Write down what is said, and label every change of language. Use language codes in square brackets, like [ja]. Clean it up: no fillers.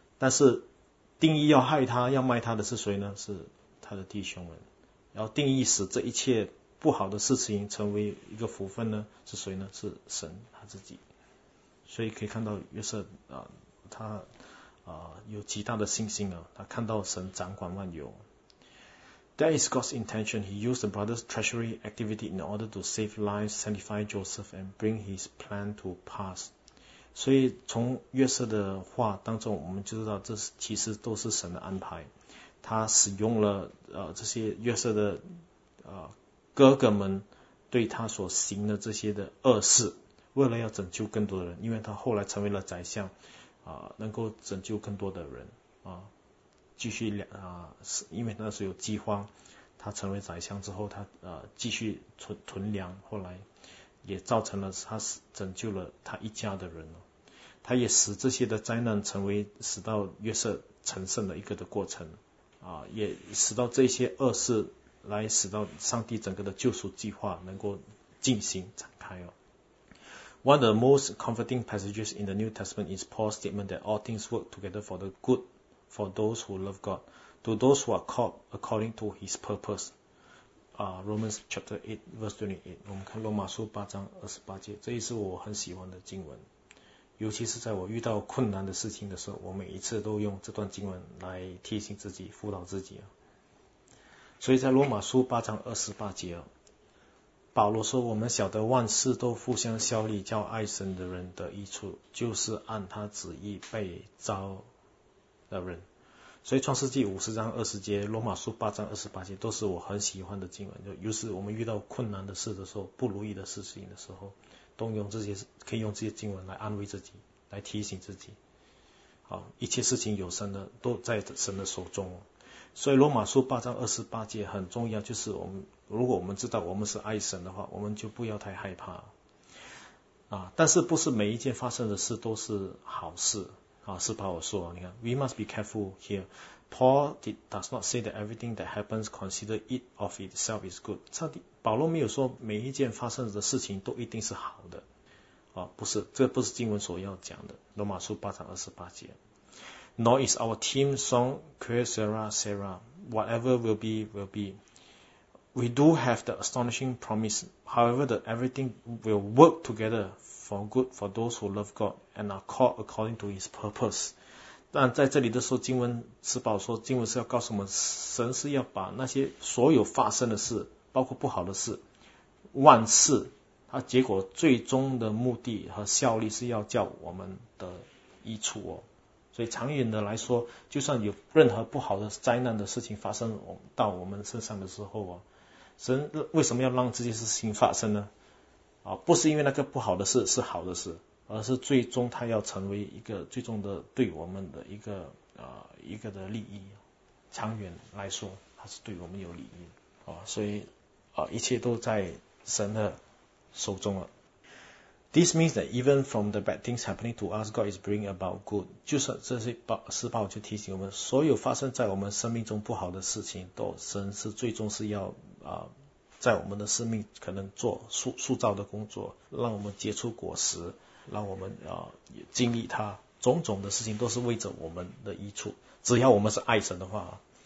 [zh] 但是定义要害他、要卖他的是谁呢？是他的弟兄们。然后定义使这一切不好的事情成为一个福分呢？是谁呢？是神他自己。所以可以看到约瑟他有极大的信心啊，他看到神掌管万有。 [en] That is God's intention. He used the brother's treasury activity in order to save lives, sanctify Joseph, and bring his plan to pass. [zh] 所以从约瑟的话当中，我们就知道这其实都是神的安排。他使用了这些约瑟的哥哥们对他所行的这些的恶事。为了要拯救更多的人，因为他后来成为了宰相，能够拯救更多的人，继续因为那时候有饥荒，他成为宰相之后，他继续囤粮，后来也造成了他拯救了他一家的人，他也使这些的灾难成为使到约瑟成圣的一个的过程，也使到这些恶事来使到上帝整个的救赎计划能够进行展开哦。 [en] One of the most comforting passages in the New Testament is Paul's statement that all things work together for the good for those who love God, to those who are called according to His purpose. Romans chapter 8, verse 28. [zh] 我们看罗马书8:28，这也是我很喜欢的经文。尤其是在我遇到困难的事情的时候，我每一次都用这段经文来提醒自己、辅导自己。所以在罗马书8:28，保罗说，我们晓得万事都互相效力，叫爱神的人得益处，就是按他旨意被召的人。所以创世纪50:20，罗马书8:28都是我很喜欢的经文。就是我们遇到困难的事的时候，不如意的事情的时候，都用这些，可以用这些经文来安慰自己，来提醒自己。好，一切事情有神的，都在神的手中。所以罗马书8:28很重要，就是我们如果我们知道我们是爱神的话，我们就不要太害怕。但是不是每一件发生的事都是好事啊？是把我说，你看 ， [en] we must be careful here. Paul does not say that everything that happens, consider it of itself is good. [zh] 保罗没有说每一件发生的事情都一定是好的，啊，不是，这不是经文所要讲的。罗马书八章二十八节。 [en] Nor is our team song, que sera, sera. Whatever will be, will be. We do have the astonishing promise, however, that everything will work together for good for those who love God and are called according to His purpose. [zh] 但在这里的时候，经文是保罗说，经文是要告诉我们，神是要把那些所有发生的事，包括不好的事，万事，它结果最终的目的和效力是要叫我们的益处哦。所以长远的来说，就算有任何不好的灾难的事情发生到我们身上的时候啊，神为什么要让这件事情发生呢？啊，不是因为那个不好的事是好的事，而是最终它要成为一个最终的对我们的一个一个的利益。长远来说，它是对我们有利益啊，所以啊，一切都在神的手中了。 [en] This means that even from the bad things happening to us, God is bringing about good. [zh] 就是这些事报就提醒我们，所有发生在我们生命中不好的事情，都神是最终是要在我们的生命可能做塑造的工作，让我们结出果实，让我们经历它。种种的事情都是为着我们的益处，只要我们是爱神的话。